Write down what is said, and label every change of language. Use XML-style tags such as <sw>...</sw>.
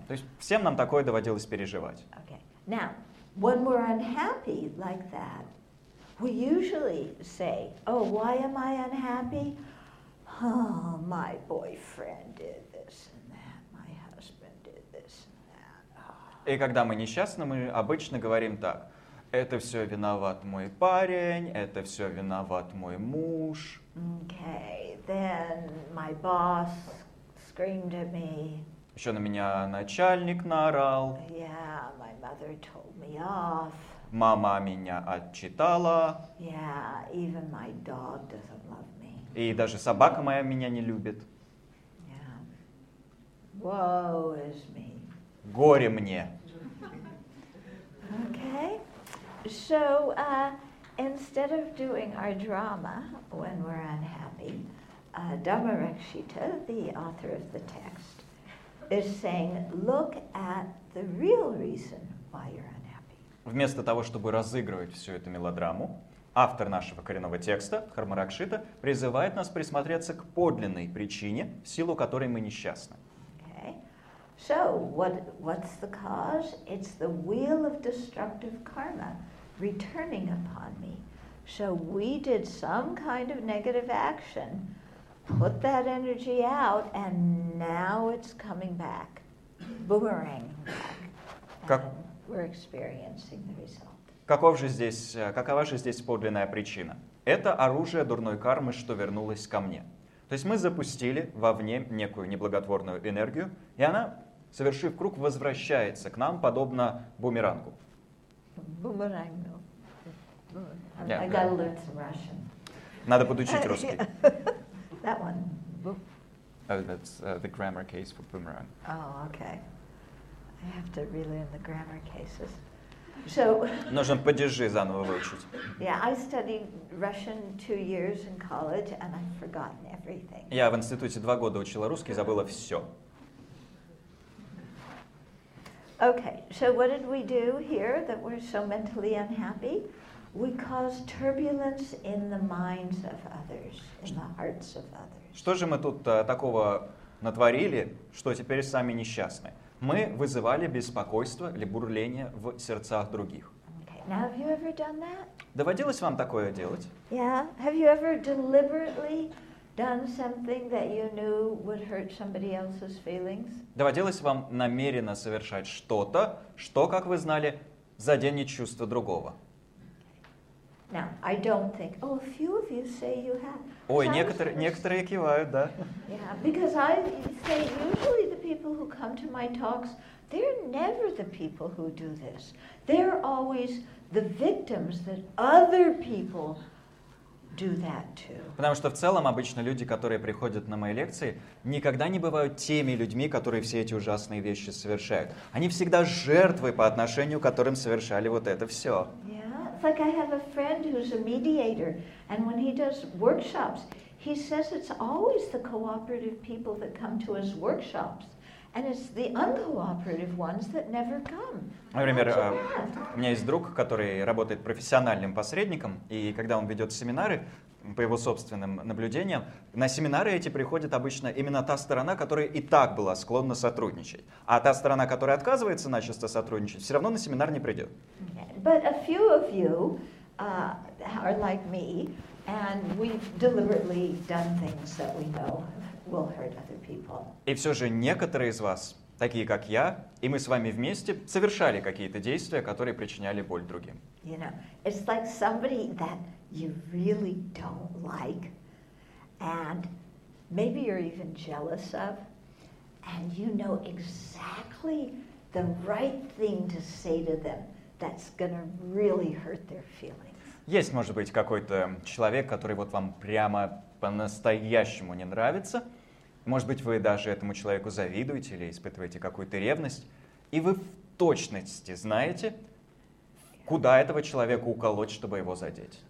<ru>То есть всем нам такое доводилось переживать.</ru> <en>Okay. Now, when we're unhappy like that, we usually say, oh, why am I unhappy? Oh, my boyfriend did this and that, my husband did this and that. Oh.</en> <ru>И когда мы несчастны, мы обычно говорим так: это все виноват мой парень, это все виноват мой муж.</ru> <en>Okay, then my boss screamed at me.</en> <ru>Еще на меня начальник наорал.</ru> <en>Yeah, my mother told me off.</en> <ru>Мама меня отчитала.</ru> <en>Yeah, even my dog doesn't love me.</en> <ru>И даже собака моя меня не любит.</ru> <en>Yeah. Woe is me.</en> <ru>Горе мне.</ru> <en>Okay. So instead of doing our drama when we're unhappy, Dhamma Rakshita, the author of the text, is saying, look at the real reason why you're unhappy.</en> <ru>Вместо того, чтобы разыгрывать всю эту мелодраму, автор нашего коренного текста, Дхарма Ракшита, призывает нас присмотреться к подлинной причине, в силу которой мы несчастны.</ru> <en>Okay. So, what's the cause? It's the wheel of destructive karma returning upon me. So we did some kind of negative action, put that energy out, and now it's coming back, boomeranging back.</en> <ru>Как?</ru> <en>We're experiencing the result.</en> <ru>Какова же здесь подлинная причина? Это оружие дурной кармы, что вернулось ко мне. То есть мы запустили вовне некую неблаготворную энергию, и она, совершив круг, возвращается к нам, подобно бумерангу. Бумерангу. Yeah.</ru> <en>I gotta learn some Russian.</en> <ru>Надо подучить русский.</ru> <en>That one. Oh, that's the grammar case for boomerang. Oh, okay. I have to relearn the grammar cases. So,</en> <ru>нужен падежи заново выучить.</ru> <en>Yeah, I studied Russian 2 years in college and I've forgotten everything.</en> <ru>Я в институте 2 года учила русский, забыла все.</ru> <en>Okay, so what did we do here that we're so mentally unhappy? We caused turbulence in the minds of others, in the hearts of others.</en> <ru>Что же мы тут такого натворили, что теперь сами несчастны? Мы вызывали беспокойство или бурление в сердцах других.</ru> <en>Okay. Now, have you ever done that?</en> <ru>Доводилось вам такое делать?</ru> <en>Yeah. Have you ever deliberately done something that you knew would hurt somebody else's feelings?</en> <ru>Доводилось вам намеренно совершать что-то, что, как вы знали, заденет чувства другого?</ru> <en>Now, I don't think. Oh, a few of you say you have.</en> <ru>Ой, некоторые кивают, да?</ru> <en>Yeah, because I say usually the people who come to my talks, they're never the people who do this. They're always the victims that other people do that to.</en> <ru>Потому что в целом обычно люди, которые приходят на мои лекции, никогда не бывают теми людьми, которые все эти ужасные вещи совершают. Они всегда жертвы по отношению к которым совершали вот это все.</ru> <en>Yeah. It's like I have a friend who's a mediator, and when he does workshops, he says it's always the cooperative people that come to his workshops, and it's the uncooperative ones that never come.</en> <ru>Например, у меня есть друг, который работает профессиональным посредником, и когда он ведет семинары, по его собственным наблюдениям, на семинары эти приходят обычно именно та сторона, которая и так была склонна сотрудничать. А та сторона, которая отказывается начисто сотрудничать, все равно на семинар не придет.</ru> <en>But a few of you are like me, and we've deliberately done things that we know will hurt other people.</en> <ru>И все же некоторые из вас, такие как я, и мы с вами вместе совершали какие-то действия, которые причиняли боль другим.</ru> <en>You know, it's like somebody that you really don't like, and maybe you're even jealous of, and you know exactly the right thing to say to them. That's gonna really hurt their feelings.</en> <ru>Есть, может быть, какой-то человек, который вот вам прямо по-настоящему не нравится. Может быть, вы даже этому человеку завидуете или испытываете какую-то ревность. И вы в точности знаете, куда этого человека уколоть, чтобы его задеть.</ru>